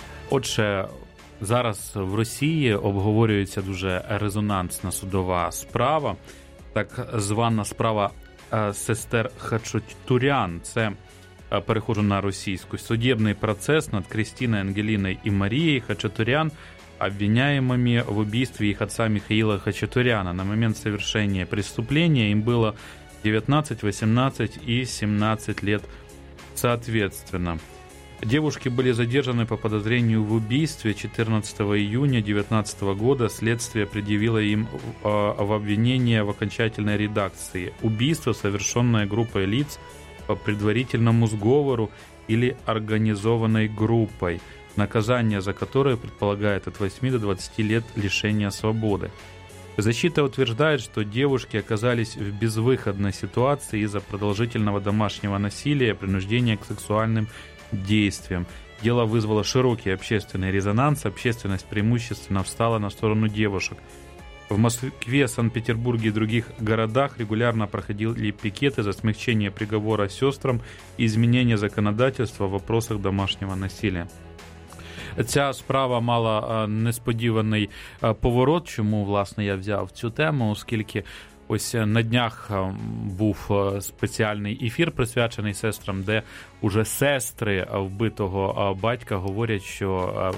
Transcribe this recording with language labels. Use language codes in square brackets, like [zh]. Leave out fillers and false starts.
[uk] Отже, зараз в Росії обговорюється дуже резонансна судова справа, так звана справа сестер Хачатурян. Це, перехожу на російську, [ru] судебний процес над Крістіною, Ангеліною і Марією Хачатурян, обвиняемыми в убийстве их отца Михаила Хачатуряна. На момент совершения преступления им было 19, 18 и 17 лет соответственно. Девушки были задержаны по подозрению в убийстве 14 июня 2019 года. Следствие предъявило им в обвинение в окончательной редакции убийство, совершенное группой лиц по предварительному сговору или организованной группой, наказание за которое предполагает от 8 до 20 лет лишения свободы. Защита утверждает, что девушки оказались в безвыходной ситуации из-за продолжительного домашнего насилия, принуждения к сексуальным действиям. Дело вызвало широкий общественный резонанс, общественность преимущественно встала на сторону девушек. В Москве, Санкт-Петербурге и других городах регулярно проходили пикеты за смягчение приговора сестрам и изменение законодательства в вопросах домашнего насилия. [uk] Ця справа мала несподіваний поворот, чому, власне, я взяв цю тему, оскільки ось на днях був спеціальний ефір, присвячений сестрам, де уже сестри вбитого батька говорять, що